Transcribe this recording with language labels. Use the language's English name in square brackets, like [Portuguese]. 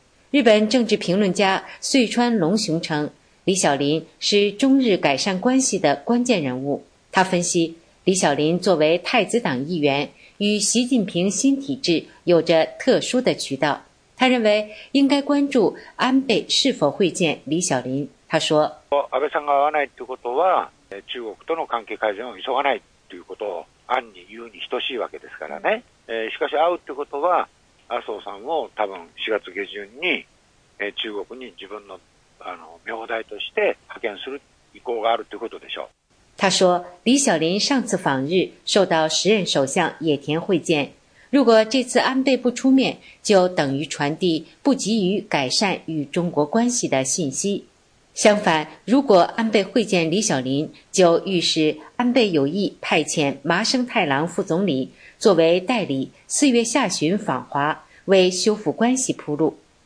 [Chinese] 日本政治评论家穗川龙雄称，李小林是中日改善关系的关键人物。他分析，李小林作为太子党议员，与习近平新体制有着特殊的渠道。他认为应该关注安倍是否会见李小林。他说， [Japanese] 安倍さんが会わないということは、中国との関係改善を急がないということを暗に言うに等しいわけですからね。しかし会うということは、麻生さんを多分4月下旬に中国に自分の名代として派遣する意向があるということでしょう。 [Chinese] 他说，李小林上次访日受到时任首相野田会见，如果这次安倍不出面，就等于传递不急于改善与中国关系的信息。相反，如果安倍会见李小林，就预示安倍有意派遣麻生太郎副总理作为代理，四月下旬访华，为修复关系铺路。